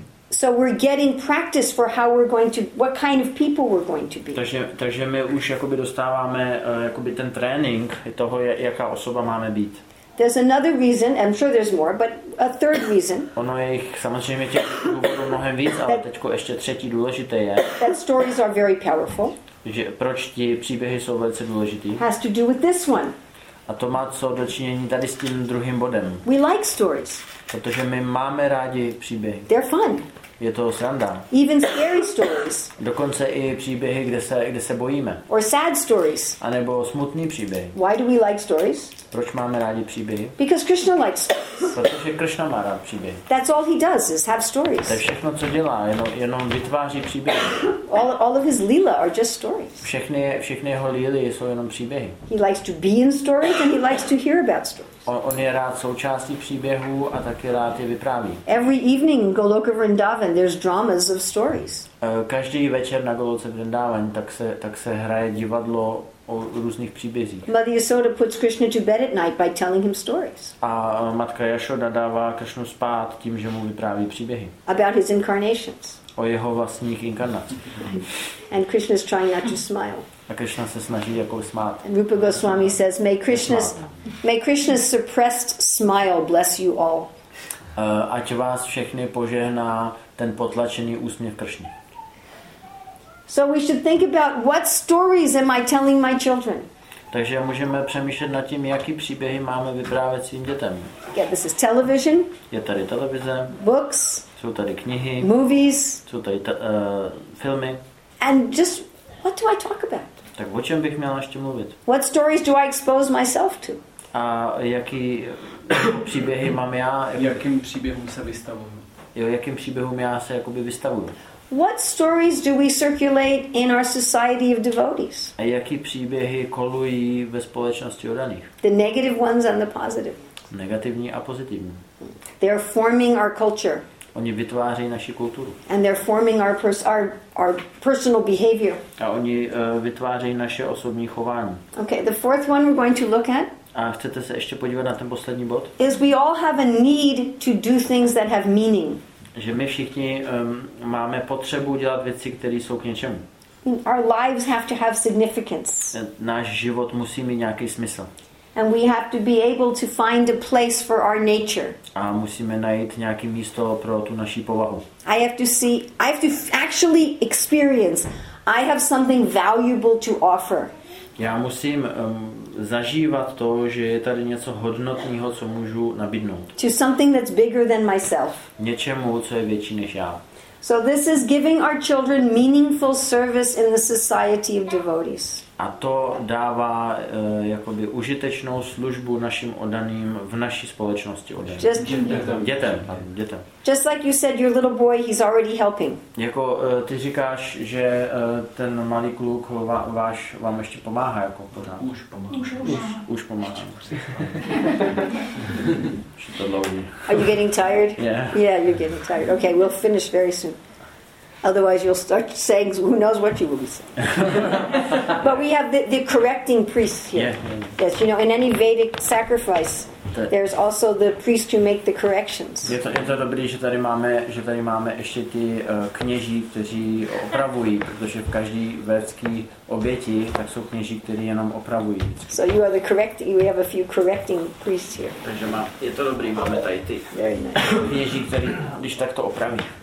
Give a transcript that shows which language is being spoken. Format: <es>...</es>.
<en>So we're getting practice for how we're going to, what kind of people we're going to be.</en> <cs>Takže my už jakoby dostáváme jakoby ten trénink toho, jaká osoba máme být.</cs> <en>There's another reason, I'm sure there's more, but a third reason.</en> <cs>Ono je jich samozřejmě těch důvodů mnohem víc, ale teďko ještě třetí důležité je.</cs> <en>That stories are very powerful.</en> <cs>Že proč ty příběhy jsou velice důležitý?</cs> <en>Has to do with this one.</en> <cs>A to má co do činění tady s tím druhým bodem.</cs> <en>We like stories.</en> <cs>Protože my máme rádi příběhy.</cs> <en>They're fun.</en> <cs>Je to sranda.</cs> <en>Even scary stories.</en> <cs>Dokonce i příběhy, kde se bojíme.</cs> <en>Or sad stories.</en> <cs>A nebo smutný příběh.</cs> <en>Why do we like stories?</en> <cs>Proč máme rádi příběhy?</cs> <en>Because Krishna likes stories.</en> <cs>Protože Krishna má rád příběhy.</cs> <en>That's all he does is have stories.</en> <cs>To je všechno, co dělá, jenom vytváří příběhy.</cs> <en>All of his lila are just stories.</en> <cs>Všechny jeho lily jsou jenom příběhy.</cs> <en>He likes to be in stories and he likes to hear about stories.</en> <cs>On je rád součástí příběhů a taky rád je vypráví.</cs> <en>Every evening in Goloka Vrindavan there's dramas of stories.</en> <cs>Každý večer na Goloce Vrindavan tak se hraje divadlo o různých příbězích.</cs> <en>Mother Yashoda puts Krishna to bed at night by telling him stories.</en> <cs>A matka Yashoda dává Krishnu spát tím, že mu vypráví příběhy.</cs> <en>About his incarnations.</en> <cs>O jeho vlastních inkarnacích.</cs> <en>And Krishna's trying not to smile.</en> <cs>A Krishna se snaží jako smát.</cs> <en>And Rupa Goswami says, may Krishna's suppressed smile bless you all.</en> <cs>Ať vás všechny požehná ten potlačený úsměv Krishny.</cs> <en>So we should think about what stories am I telling my children?</en> <cs>Takže můžeme přemýšlet nad tím, jaký příběhy máme vyprávět svým dětem.</cs> <en>Yeah, this is television.</en> <cs>Je tady televize.</cs> <en>Books.</en> <cs>Jsou tady knihy.</cs> <en>Movies.</en> <cs>Jsou tady filmy.</cs> <en>And just what do I talk about?</en> <cs>Tak o čem bych měla ještě mluvit?</cs> <en>What stories do I expose myself to?</en> <cs>A jaký příběhy mám já? Jakým příběhům se vystavuju? Jo, jakým příběhům já se jakoby vystavuju?</cs> <en>What stories do we circulate in our society of devotees?</en> <cs>A jaký příběhy kolují ve společnosti odaných?</cs> <en>The negative ones and the positive.</en> <cs>Negativní a pozitivní.</cs> <en>They are forming our culture.</en> <cs>Oni vytvářejí naši kulturu.</cs> <en>And they're forming our personal behavior.</en> <cs>A oni vytvářejí naše osobní chování.</cs> <en>Okay, the fourth one we're going to look at.</en> <cs>A chcete se ještě podívat na ten poslední bod?</cs> <en>Is we all have a need to do things that have meaning.</en> <cs>Že my všichni máme potřebu dělat věci, které jsou k něčemu.</cs> <en>Our lives have to have significance.</en> <cs>Náš život musí mít nějaký smysl.</cs> <en>And we have to be able to find a place for our nature.</en> <cs>A musíme najít nějaké místo pro tu naši povahu.</cs> <en>I have to actually experience. I have something valuable to offer.</en> <cs>Já musím zažívat to, že je tady něco hodnotného, co můžu nabídnout.</cs> <en>To something that's bigger than myself.</en> <cs>Něčemu, co je větší než já.</cs> <en>So this is giving our children meaningful service in the society of devotees.</en> <cs>A to dává jakoby užitečnou službu našim oddaným v naší společnosti oddaným. Dětem.</cs> <en>Just like you said, your little boy, he's already helping.</en> <cs>Jako ty říkáš, že ten malý kluk váš vám ještě pomáhá jako pořád. Už pomáhá. Už to dlouhý.</cs> <en>Are you getting tired? Yeah. Yeah, you're getting tired. Okay, we'll finish very soon. Otherwise, you'll start saying, who knows what you will be saying. But we have the correcting priests here. Yeah. Yes, you know, in any Vedic sacrifice, there's also the priest who make the corrections.</en> <cs>Je to dobrý, že tady máme ještě ty kněží, kteří opravují, protože v každý vedský oběti tak jsou kněží, kteří jenom opravují.</cs> <en>So you are the correcting. We have a few correcting priests here.</en> <cs>Takže je to dobrý, máme tady ty kněží, kteří když tak to opraví.</cs>